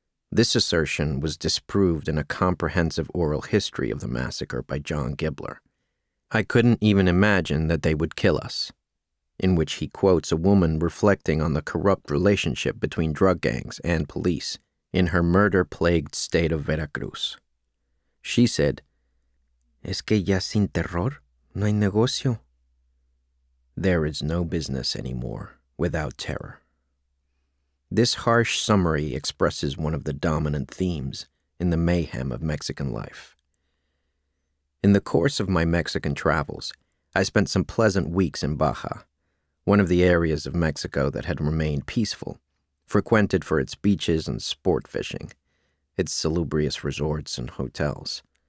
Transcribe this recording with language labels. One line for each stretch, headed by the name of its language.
English: This assertion was disproved in a comprehensive oral history of the massacre by John Gibler. "I couldn't even imagine that they would kill us," in which he quotes a woman reflecting on the corrupt relationship between drug gangs and police in her murder-plagued state of Veracruz. She said,
Spanish: "Es que ya sin terror, no hay negocio."
English: There is no business anymore without terror. This harsh summary expresses one of the dominant themes in the mayhem of Mexican life. In the course of my Mexican travels, I spent some pleasant weeks in Baja, one of the areas of Mexico that had remained peaceful, frequented for its beaches and sport fishing, its salubrious resorts and hotels.